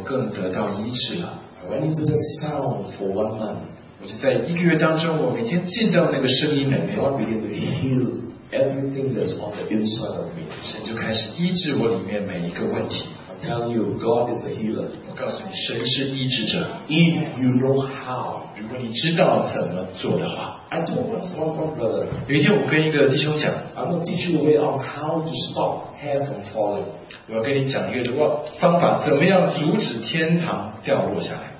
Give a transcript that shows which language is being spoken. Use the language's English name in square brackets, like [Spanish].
[Chinese] 一天一天我就感到我更健全，我更得到医治了. [English] I went into the sound for 1 month. [Chinese] 我就在一个月当中，我每天进到那个声音里面. [English] God began to heal everything that's on the inside of me. [Chinese] 神就开始医治我里面每一个问题. [English] I'm telling you, God is a healer. [Chinese] 我告诉你，神是医治者. [English] If you know how, [Chinese] 如果你知道怎么做的话. [English] I told one brother. [Chinese] 有一天我跟一个弟兄讲, [English] I'm going to teach you a way on how to stop hair from falling. [Chinese] 我要跟你讲一个方法，怎么样阻止天堂掉落下来.